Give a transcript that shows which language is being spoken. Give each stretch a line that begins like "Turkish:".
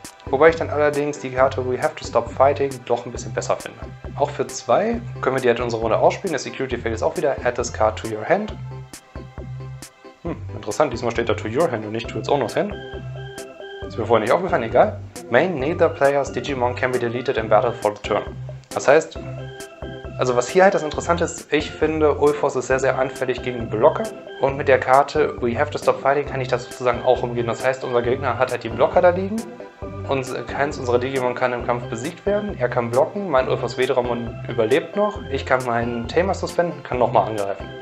German: Wobei ich dann allerdings die Karte We Have to Stop Fighting doch ein bisschen besser finde. Auch für 2 können wir die halt in unserer Runde ausspielen. Der Security Effekt ist auch wieder
English: Add this card to your hand.
German: Interessant, diesmal steht da
English: to your hand
German: und nicht
English: to its owner's hand.
German: Ist mir vorher nicht aufgefallen, egal.
English: Main neither player's Digimon can be deleted in battle for the turn.
German: Das heißt, also was hier halt das Interessante ist, ich finde, Ulfos ist sehr, sehr anfällig gegen Blocker. Und mit der Karte We Have to Stop Fighting kann ich das sozusagen auch umgehen. Das heißt, unser Gegner hat halt die Blocker da liegen. Und keins unserer Digimon kann im Kampf besiegt werden. Er kann blocken, mein Ulfos Vedramon überlebt noch. Ich kann meinen Tamer suspenden, kann nochmal angreifen.